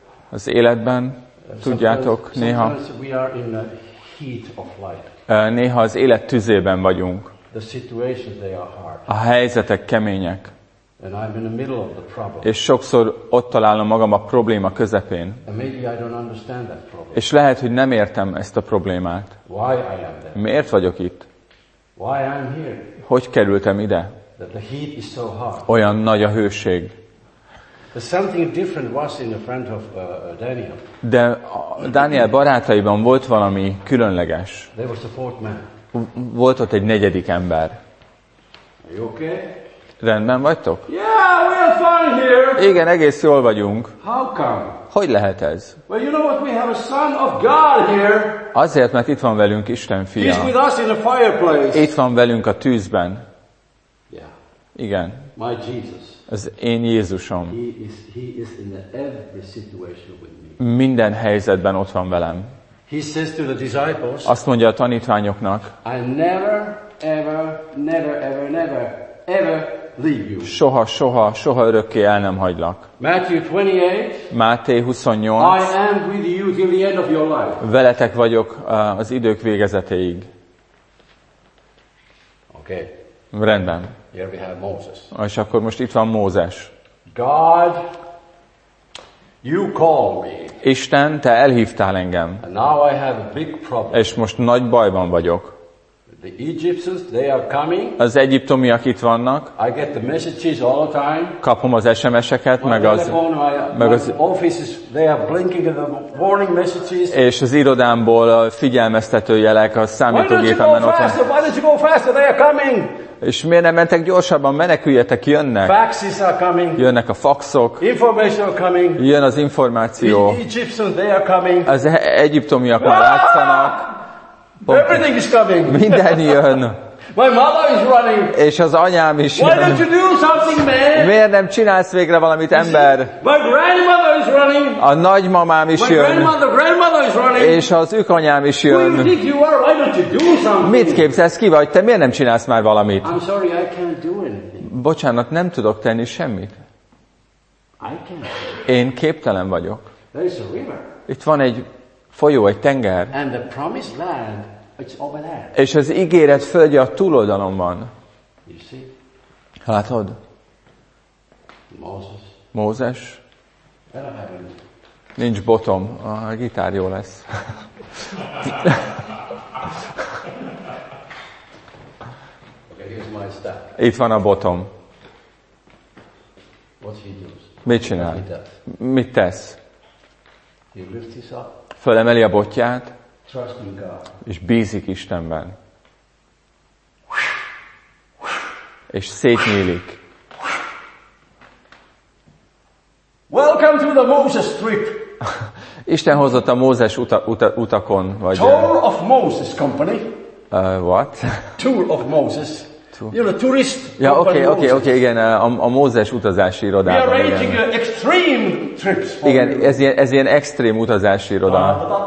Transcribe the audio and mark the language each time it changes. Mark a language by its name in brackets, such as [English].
[Hungarian] az életben, tudjátok, néha [English] we are in the heat of life. [Hungarian] Néha az élet tüzében vagyunk. [English] The situations, they are hard. [Hungarian] A helyzetek kemények. [English] And I'm in the middle of the problem. [Hungarian] És sokszor ott találom magam a probléma közepén. [English] And maybe I don't understand that problem. [Hungarian] És lehet, hogy nem értem ezt a problémát. [English] Why I am there? [Hungarian] Miért vagyok itt? [English] Why I'm here? [Hungarian] Hogy kerültem ide? [English] That the heat is so hot. [Hungarian] Olyan nagy a hőség. [English] But something different was in the front of Daniel. [Hungarian] De Daniel barátaiban volt valami különleges. [English] There was a fourth man. [Hungarian] Volt ott egy negyedik ember. [English] Are you okay? [Hungarian] Rendben vagytok? [English] Yeah, we are fine here. [Hungarian] Igen, egész jól vagyunk. [English] How come? [Hungarian] Hogy lehet ez? [English] Well, you know what? We have a son of God here. [Hungarian] Azért, mert itt van velünk Isten fia. [English] He's with us in the fireplace. [Hungarian] Itt van velünk a tűzben. [English] Yeah. [Hungarian] Igen. [English] My Jesus. [Hungarian] Az én Jézusom. [English] He is in every situation with me. [Hungarian] Minden helyzetben ott van velem. [English] He says to the disciples. [Hungarian] Azt mondja a tanítványoknak. [English] I never ever, never, ever, never, ever leave you. [Hungarian] Soha, soha, soha örökké el nem hagylak. [English] Matthew 28. [Hungarian] Máté 28. [English] I am with you till the end of your life. [Hungarian] Veletek vagyok az idők végezetéig. [English] Okay. [Hungarian] Rendben. [English] Here we have Moses. [Hungarian] És akkor most itt van Mózes. [English] God, you call me. [Hungarian] Isten, te elhívtál engem. [English] And now I have a big problem. [Hungarian] És most nagy bajban vagyok. [English] The Egyptians, they are coming. [Hungarian] Az egyiptomiak itt vannak. [English] I get the messages all the time. [Hungarian] Kapom az SMS-eket, meg az [English] offices, they are blinking the warning messages. [Hungarian] És az irodámból a figyelmeztető jelek a számítógépemben ott van. [English] Why don't you go faster? They are coming. [Hungarian] És miért nem mentek gyorsabban? Meneküljetek, jönnek. [English] Faxes are coming. [Hungarian] Jönnek a faxok. [English] Information are coming. [Hungarian] Jön az információ. [English] The Egyptians, they are coming. [Hungarian] Az egyiptomiak már látszanak. [English] Everything is coming. [Hungarian] Minden jön. [English] My mother is running. [Hungarian] És az anyám is jön. [English] Why don't you do something, man? [Hungarian] Miért nem csinálsz végre valamit, ember? [English] My grandmother is running. [Hungarian] A nagymamám is [English] My [Hungarian] jön. [English] Grandmother is running. [Hungarian] És az ükanyám is jön. [English] Who do you think you are? Why don't you do something? [Hungarian] Mit képzelsz, ki vagy? Te miért nem csinálsz már valamit? [English] I'm sorry, I can't do anything. [Hungarian] Bocsánat, nem tudok tenni semmit. [English] I can't. [Hungarian] Én képtelen vagyok. [English] There is a river. [Hungarian] Itt van egy folyó, egy tenger. [English] And the promised land. It's over there. [Hungarian] És az ígéret földje a túloldalon van. [English] You see? [Hungarian] Látod? [English] Moses. [Hungarian] Mózes. [English] Eleven. [Hungarian] Nincs botom. A gitár jó lesz. [English] Okay, here's my step. [Hungarian] Itt van a botom. [English] What he does? [Hungarian] Mit csinál? [English] What he does? [Hungarian] Mit tesz? [English] He lifts his up. [Hungarian] Fölemeli a botját. [English] Trust in God. [Hungarian] És bízik Istenben. És szétnyílik. [English] Welcome to the Moses trip. [Hungarian] Isten hozott a Mózes utakon, vagy [English] Tour of Moses company. What? Tour of Moses. You're a tourist. [Hungarian] Ja, okay, igen, a Mózes utazási iroda. [English] We are arranging extreme trips. [Hungarian] Igen, ez ilyen extrém utazási iroda.